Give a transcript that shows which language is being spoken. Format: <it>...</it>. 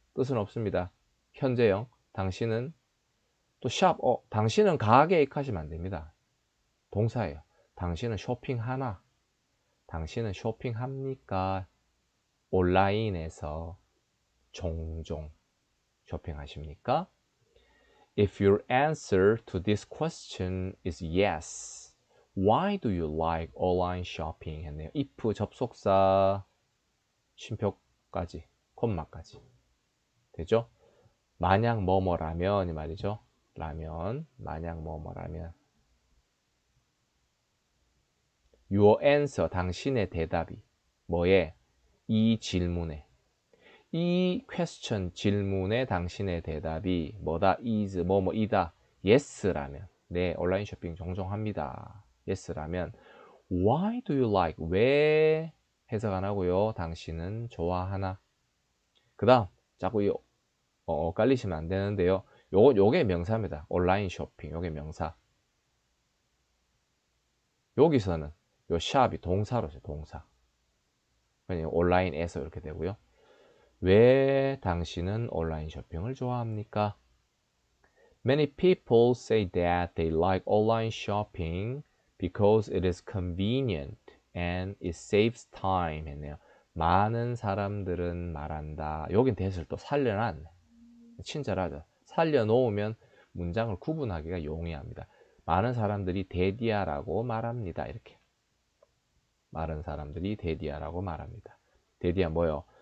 <ko>뜻은 없습니다. 현재형. 당신은 또 shop. 당신은 가게에 익하시면 안 됩니다. 동사예요. 당신은 쇼핑하나? 당신은 쇼핑합니까? 온라인에서 종종 쇼핑하십니까?</ko> <en>If your answer to this question is yes, why do you like online shopping?</en> <ko>했네요. If 접속사 쉼표까지, 콤마까지. 되죠? 만약 뭐뭐라면이 말이죠. 라면, 만약 뭐뭐라면. Your answer, 당신의 대답이. 뭐에? 이 질문에. 이 question, 질문에 당신의 대답이 뭐다, is, 뭐뭐이다, yes라면, 네, 온라인 쇼핑 종종 합니다. yes라면, why do you like, 왜 해석 안 하고요, 당신은 좋아하나? 그 다음, 자꾸 이, 헷갈리시면 안 되는데요. 요게 명사입니다. 온라인 쇼핑, 요게 명사. 여기서는, 요 샵이 동사로서 동사. 그냥 온라인에서 이렇게 되고요. 왜 당신은 온라인 쇼핑을 좋아합니까?</ko> <en>Many people say that they like online shopping because it is convenient and it saves time 했네요.</en> <ko>많은 사람들은 말한다. 여긴 대사를 또 살려놨네. 친절하죠. 살려놓으면 문장을 구분하기가 용이합니다. 많은 사람들이 대디아라고 말합니다. 이렇게. 많은 사람들이 대디아라고 말합니다. 대디아 뭐요?</ko>